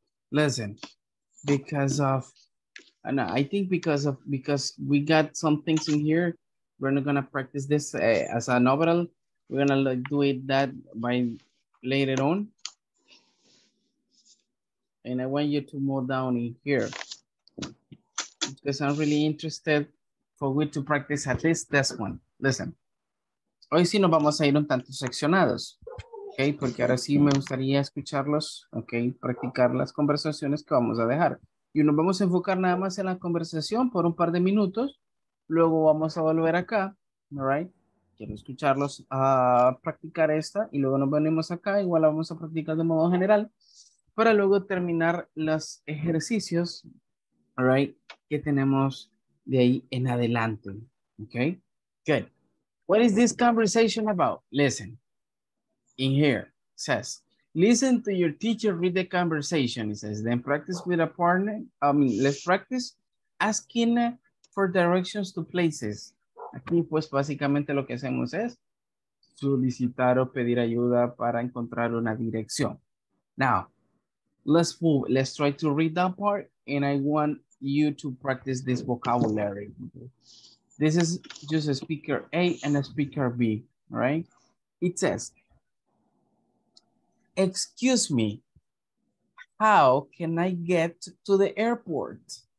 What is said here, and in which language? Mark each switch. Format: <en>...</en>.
<en>Listen, because of, and I think because we got some things in here, we're not gonna practice this as an overall. We're gonna like, do it that by later on. And I want you to move down in here because I'm really interested for we to practice at least this one.</en> <es>Listen, hoy sí nos vamos a ir un tanto seccionados. Ok, porque ahora sí me gustaría escucharlos, ok, practicar las conversaciones que vamos a dejar. Y nos vamos a enfocar nada más en la conversación por un par de minutos. Luego vamos a volver acá, all right. Quiero escucharlos a practicar esta y luego nos venimos acá. Igual la vamos a practicar de modo general para luego terminar los ejercicios, all right, que tenemos de ahí en adelante.</es> <en>Ok, good. What is this conversation about? Listen. In here, it says, listen to your teacher read the conversation. It says, then practice with a partner. Let's practice asking for directions to places.</en> <es>Aquí, pues, básicamente lo que hacemos es solicitar o pedir ayuda para encontrar una dirección.</es> <en>Now, let's move. Let's try to read that part, and I want you to practice this vocabulary. This is just a speaker A and a speaker B, right? It says, excuse me, how can I get to the airport?</en>